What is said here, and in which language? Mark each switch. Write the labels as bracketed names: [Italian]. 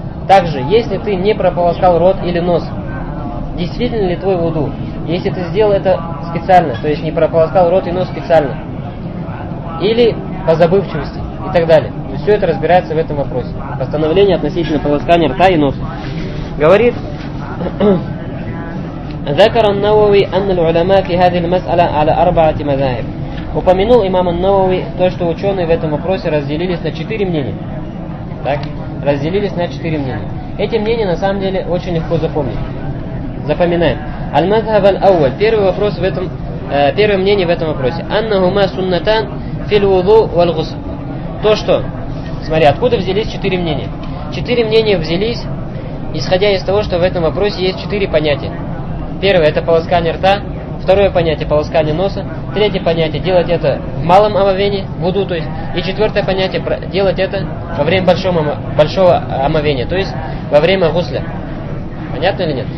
[Russian] Также, если ты не прополоскал рот или нос, действительно ли твой вуду? Если ты сделал это специально, то есть не прополоскал рот и нос специально, или по забывчивости и так далее. То есть все это разбирается в этом вопросе. Постановление относительно полоскания рта и носа. Говорит [Arabic] ذكر النووي أن العلماء في هذه المسألة على أربعة مذاهب. [Russian] Упомянул имам ан-Науви то, что ученые в этом вопросе разделились на четыре мнения. Так, разделились на четыре мнения. Эти мнения на самом деле очень легко запомнить. Запоминаем. [Arabic] المذهب الأول. [Russian] Первый вопрос в этом, первое мнение в этом вопросе. [Arabic] أنهما سنتان في الوضوء والغسل. [Russian] То что, смотри, откуда взялись четыре мнения? Четыре мнения взялись, исходя из того, что в этом вопросе есть четыре понятия. Первое – это полоскание рта. Второе понятие – полоскание носа. Третье понятие – делать это в малом омовении, в вуду, то есть. И четвертое понятие – делать это во время большого омовения, то есть во время гусля. Понятно или нет?